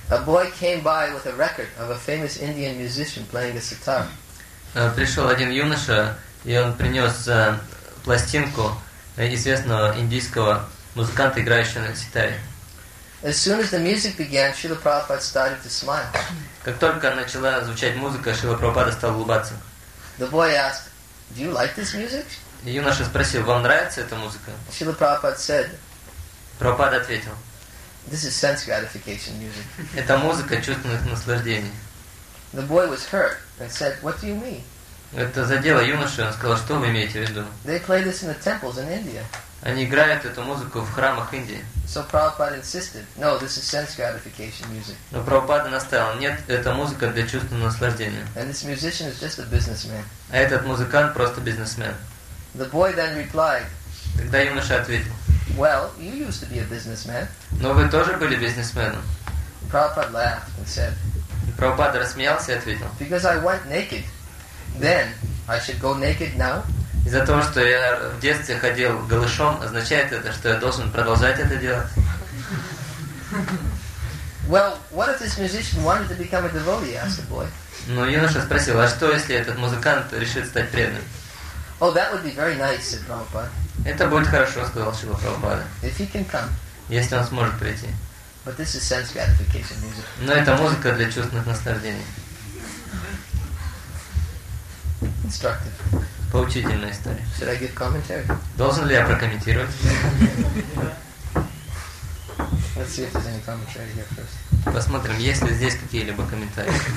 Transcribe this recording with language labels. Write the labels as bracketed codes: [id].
[en] A boy came by with a record of a famous Indian musician playing a sitar. [ru] Пришел один юноша, и он принес пластинку известного индийского музыканта, играющего на ситаре. [en] As soon as the music began, Srila Prabhupada started to smile. [ru] Как только начала звучать музыка, Шрила Прабхупада стал улыбаться. [en] The boy asked, "Do you like this music?" [ru] Юноша спросил, вам нравится эта музыка? [en] Srila Prabhupada said, [ru] Прабхупада ответил, [en] "This is sense gratification music." [ru] Это музыка чувственных наслаждений. [en] The boy was hurt and said, "What do you mean?" [ru] Это задело юношу, он сказал, что вы имеете в виду? [en] They play this in the temples in India. [ru] Они играют эту музыку в храмах Индии. [en] So Prabhupada insisted, "No, this is sense gratification music." [ru] Но Прабхупада настаивал, нет, это музыка для чувственного наслаждения. [en] And this musician is just a businessman. [ru] А этот музыкант просто бизнесмен. [en] The boy then replied. [ru] Тогда юноша ответил. [en] Well, you used to be a businessman. [ru] Но вы тоже были бизнесменом. [en] Prabhupada laughed and said. [ru] Прабхупада рассмеялся и ответил. [en] Because I went naked, then I should go naked now. [ru] Из-за того, что я в детстве ходил голышом, означает это, что я должен продолжать это делать? [en] Well, what if this musician wanted to become a devotee? Asked the boy. [ru] Ну, юноша спросил, а что если этот музыкант решит стать преданным? [en] Oh, that would be very nice, said Prabhupada. [ru] Это будет хорошо, сказал Шрила Прабхупада. [en] If he can come. [ru] Если он сможет прийти. [en] But this is sense gratification music. [ru] Но это музыка для чувственных наслаждений. [en] Instructive. [ru] Поучительная история. [en] Should I give commentary? [ru] Должен ли я прокомментировать? [en] Let's see if there's any commentary here first. [ru] Посмотрим, есть ли здесь какие-либо комментарии.